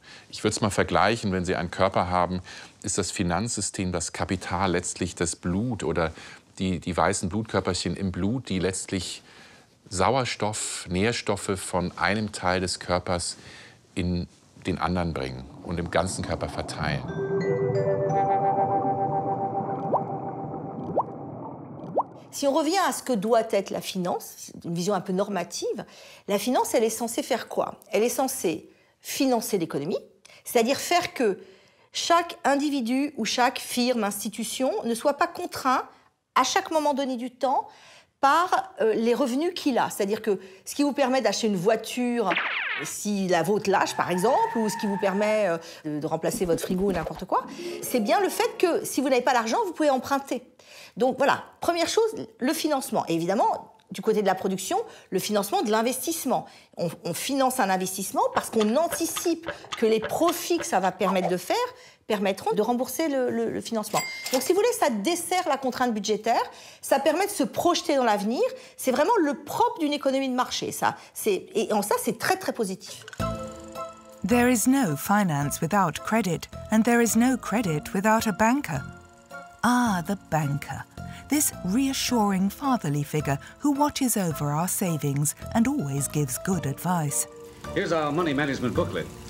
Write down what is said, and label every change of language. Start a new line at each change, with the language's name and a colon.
German: Ich würde es mal vergleichen, wenn Sie einen Körper haben, ist das Finanzsystem, das Kapital, letztlich das Blut oder die weißen Blutkörperchen im Blut, die letztlich Sauerstoff, Nährstoffe von einem Teil des Körpers in den anderen bringen und im ganzen Körper verteilen.
French: Si on revient à ce que doit être la finance, une vision un peu normative, la finance, elle est censée faire quoi? Elle est censée financer l'économie, c'est-à-dire faire que chaque individu ou chaque firme, institution ne soit pas contraint à chaque moment donné du temps par les revenus qu'il a. C'est-à-dire que ce qui vous permet d'acheter une voiture, si la vôtre lâche par exemple, ou ce qui vous permet de remplacer votre frigo ou n'importe quoi, c'est bien le fait que si vous n'avez pas l'argent, vous pouvez emprunter. Donc voilà, première chose, le financement. Et évidemment, du côté de la production, le financement de l'investissement. On finance un investissement parce qu'on anticipe que les profits que ça va permettre de faire permettront de rembourser le financement. Donc si vous voulez, ça dessert la contrainte budgétaire, ça permet de se projeter dans l'avenir. C'est vraiment le propre d'une économie de marché, ça. Et en ça, c'est très, très positif.
English: There is no finance without credit, and there is no credit without a banker. Ah, the banker. This reassuring fatherly figure who watches over our savings and always gives good advice. Here's our money management booklet.